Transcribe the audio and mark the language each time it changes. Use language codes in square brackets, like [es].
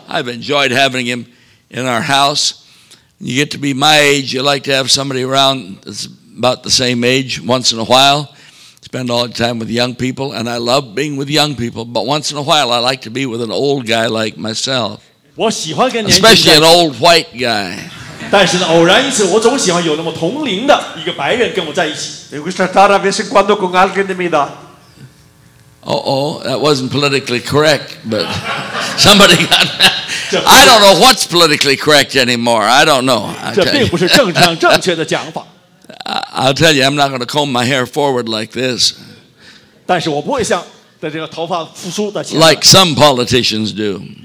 [en] I've enjoyed having him in our house. You get to be my age, you like to have somebody around that's about the same age once in a while. Spend all the time with young people, and I love being with young people. But once in a while, I like to be with an old guy like myself. [zh] 我喜欢跟年轻 [en] 人 especially an old white guy. [zh] 但是呢，偶然一次，我总喜欢有那么同龄的一个白人跟我在一起。 [es] Me gusta estar a veces cuando con alguien de mi edad. [en] Uh-oh, that wasn't politically correct, but somebody got I don't know what's politically correct anymore. I don't know. I'll tell you, I'm not going to comb my hair forward like this. Like some politicians do.